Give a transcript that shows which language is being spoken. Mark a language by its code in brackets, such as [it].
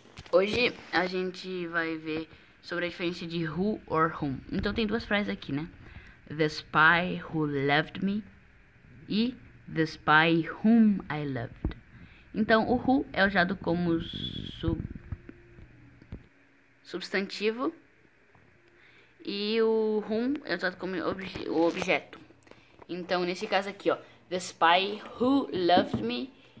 [pt] Hoje a gente vai ver sobre a diferença de who or whom. Então tem duas frases aqui, né? [en] The spy who loved me e the spy whom I loved. [pt] Então o who é usado como substantivo e o whom é usado como objeto. Então nesse caso aqui, ó, the spy who loved me.